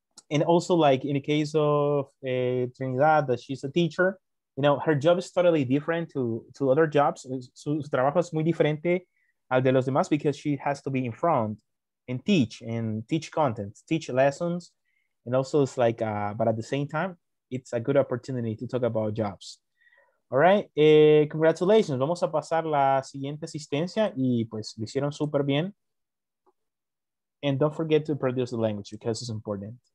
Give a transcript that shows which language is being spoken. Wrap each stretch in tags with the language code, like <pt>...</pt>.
<en>And also like in the case of Trinidad, that she's a teacher, you know, her job is totally different to other jobs.</en> <es>Su trabajo es muy diferente al de los demás</es> <en>because she has to be in front and teach content, teach lessons. And also it's like, but at the same time, it's a good opportunity to talk about jobs. All right, congratulations.</en> <es>Vamos a pasar la siguiente asistencia y pues lo hicieron súper bien.</es> <en>And don't forget to produce the language because it's important.</en>